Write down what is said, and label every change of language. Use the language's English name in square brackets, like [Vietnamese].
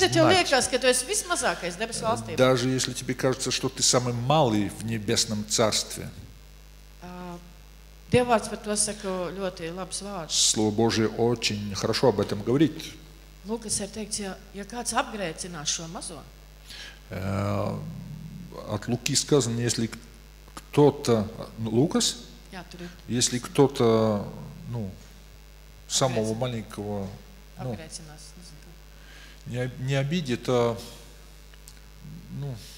[Latvian] Pat ja tev liekas, ka tu esi vismazākais debesu valstībā. [Russian] Даже если тебе кажется, что ты самый малый в небесном царстве. [Latvian] Dieva vārds par to saka ļoti labs vārds. [Russian] Слово Божие очень хорошо об этом говорит. [Latvian] Lūkas ir teikts, ja kāds apgrēcinās šo mazo. [Russian] От Луки сказано, если кто-то, ну, Лукас, если кто-то, ну, самого маленького, ну, не обидит, а, ну,